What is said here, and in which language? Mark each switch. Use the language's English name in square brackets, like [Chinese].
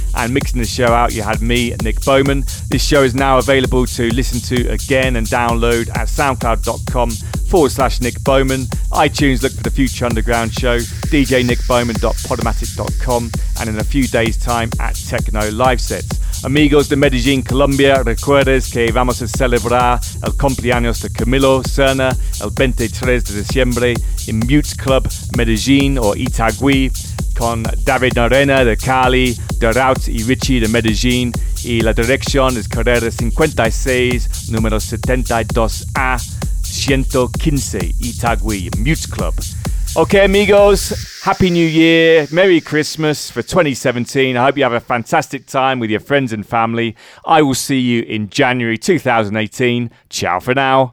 [English] And mixing the show out, you had me, Nick Bowman. This show is now available to listen to again and download at soundcloud.com/Nick Bowman. iTunes, look for the Future Underground Show, djnickbowman.podomatic.com, and in a few days' time at Techno Live Sets. [Spanish] Amigos de Medellin, Colombia, recuerdes que vamos a celebrar el cumpleaños de Camilo Serna el 23 de diciembre in Mute Club Medellin or Itagüí con David Norena de Cali, Daraut y Richie de Medellin y la dirección es Carrera 56, número 72A, 115, Itagüí, Mute Club. [English] Okay, amigos, Happy New Year, Merry Christmas for 2017. I hope you have a fantastic time with your friends and family. I will see you in January 2018. Ciao for now.